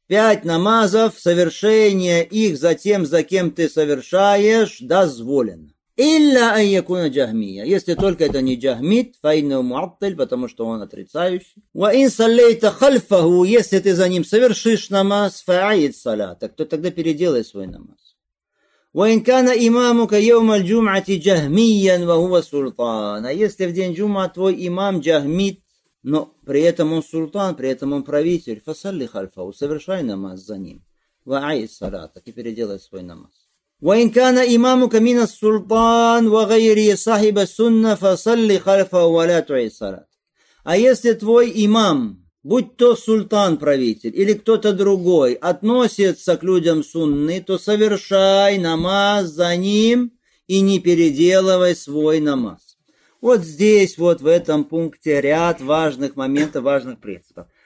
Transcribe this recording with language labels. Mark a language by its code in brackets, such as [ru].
[ru] Пять намазов, совершение их за тем, за кем ты совершаешь, дозволено. [ar] «Илля ан якуна джахмия». [ru] Если только это не джахмит, [ar] «файну муаттиль», [ru] потому что он отрицающий. [ar] «Ва ин саллейта халфаху», [ru] если ты за ним совершишь намаз, [ar] «фааид салата», [ru] то тогда переделай свой намаз. [ar] وإن كان إمامك يوم الجمعة جهميا وهو سلطان. [ru] Если в день Джума твой имам джахмит, но при этом он султан, при этом он правитель, [ar] فصلي خلفه, [ru] совершай намаз за ним. [ar] وأعيد الصلاة, [ru] и переделай свой намаз. [ar] وإن كان إمامك من السلطان وغيره صاحب السنة فصلي خلفه ولا تعيد الصلاة. [ru] А если твой имам, будь то султан, правитель, или кто-то другой, относится к людям сунны, то совершай намаз за ним и не переделывай свой намаз. Вот здесь, вот в этом пункте, ряд важных моментов, важных принципов.